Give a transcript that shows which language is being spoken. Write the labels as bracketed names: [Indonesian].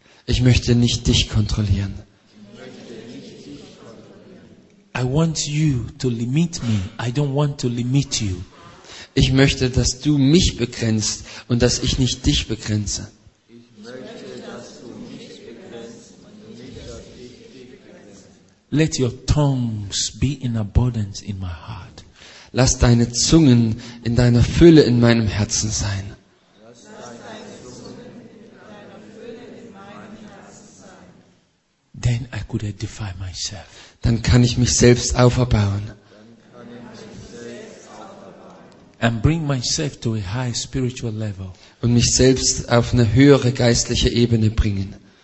[German] Ich möchte nicht dich kontrollieren. [English] I want you to limit me. I don't want to limit you. [German] Ich möchte, dass du mich begrenzt und dass ich nicht dich begrenze. [English] Let your tongues be in abundance in my heart. [German] Lass deine Zungen in deiner Fülle in meinem Herzen sein. [English] Then I could edify myself. [German] Dann kann ich mich selbst auferbauen. [English] And bring myself to a high spiritual level. [German] Und mich selbst auf eine höhere geistliche Ebene bringen.